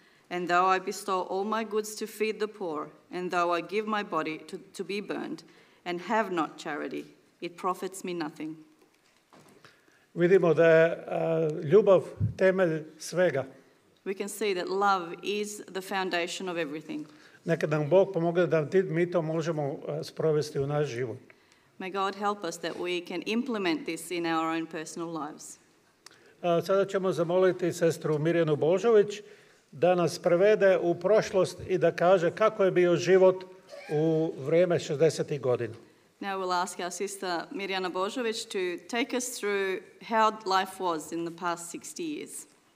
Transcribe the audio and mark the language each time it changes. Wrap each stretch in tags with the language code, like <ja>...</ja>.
<en>And though I bestow all my goods to feed the poor, and though I give my body to be burned, and have not charity, it profits me nothing.</en> <sr>Vidimo da je ljubav temelj svega.</sr> <en>We can see that love is the foundation of everything.</en> <sr>Neka nam Bog pomogne da mi to možemo sprovesti u naš život.</sr> <en>May God help us that we can implement this in our own personal lives.</en> <sr>Sada ćemo zamoliti sestru Mirjanu Božović da nas prevede u prošlost i da kaže kako je bio život u vrijeme 60-ih godina.</sr> <en>Now we'll ask our sister Mirjana Božović to take us through how life was in the past 60 years.</en>